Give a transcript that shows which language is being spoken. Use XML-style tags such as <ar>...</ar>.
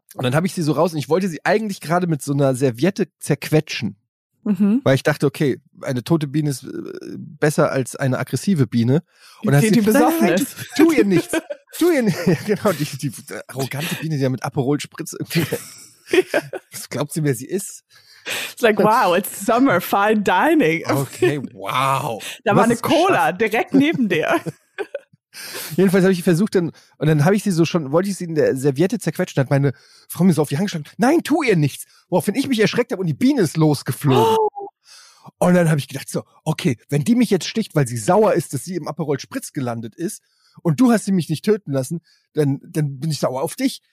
<de>Und dann habe ich sie so raus. Und ich wollte sie eigentlich gerade mit so einer Serviette zerquetschen. Mhm. Weil ich dachte, okay, eine tote Biene ist besser als eine aggressive Biene. Und dann die besoffen ist. Tu ihr nichts. Tu ihr nichts. Genau, die arrogante Biene, die da mit Aperol spritzt. Was glaubt sie, wer sie ist?</de> <en>It's like, wow, it's summer, fine dining. Okay, wow.</en> <de>Da war eine Cola direkt neben dir. Jedenfalls habe ich versucht, dann habe ich sie so schon, wollte ich sie in der Serviette zerquetschen, hat meine Frau mir so auf die Hand geschlagen, nein, tu ihr nichts. Woraufhin ich mich erschreckt habe und die Biene ist losgeflogen. Oh. Und dann habe ich gedacht so, okay, wenn die mich jetzt sticht, weil sie sauer ist, dass sie im Aperol Spritz gelandet ist und du hast sie mich nicht töten lassen, dann bin ich sauer auf dich.</de>